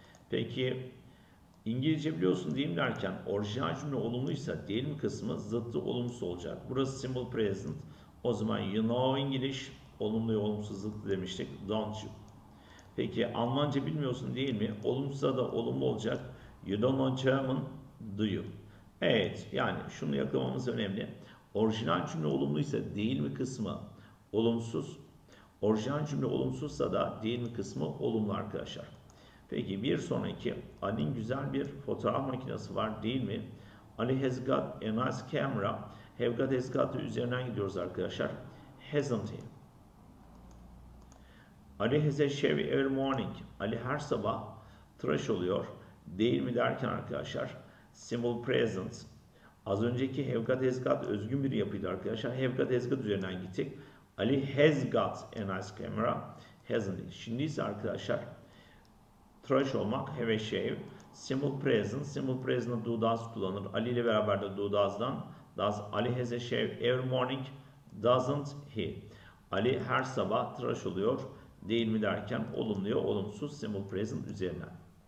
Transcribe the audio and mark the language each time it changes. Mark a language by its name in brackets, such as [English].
[Turkish] Peki İngilizce biliyorsun diyeyim derken orijinal cümle olumluysa diyelim kısmı zıttı olumsuz olacak. Burası simple present. O zaman [English] you know English [Turkish] olumlu ya olumsuz zıttı demiştik. [English] Don't you? [Turkish] Peki Almanca bilmiyorsun değil mi? Olumsuzda da olumlu olacak. [English] You don't know German, do you? [Turkish] Evet, yani şunu yakalamamız önemli. Orijinal cümle olumluysa değil mi kısmı olumsuz. Orijinal cümle olumsuzsa da değil mi kısmı olumlu arkadaşlar. Peki bir sonraki. Ali'nin güzel bir fotoğraf makinesi var değil mi? [English] Ali has got a nice camera. [Turkish] Have got, has got üzerinden gidiyoruz arkadaşlar. [English] Hasn't he? Ali has a shave every morning. [Turkish] Ali her sabah tıraş oluyor. Değil mi derken arkadaşlar. Simple present. Az önceki have got, has got özgün bir yapıydı arkadaşlar. Have got, has got üzerinden gittik. [English] Ali has got a nice camera. Hasn't he? [Turkish] Şimdi ise arkadaşlar tıraş olmak, have a shave, simple present, simple present'ı do does kullanır. Ali ile beraber de [English] do does'dan, does Ali has a shave every morning, doesn't he? [Turkish] Ali her sabah tıraş oluyor, değil mi derken olumluya olumsuz, simple present üzerinden.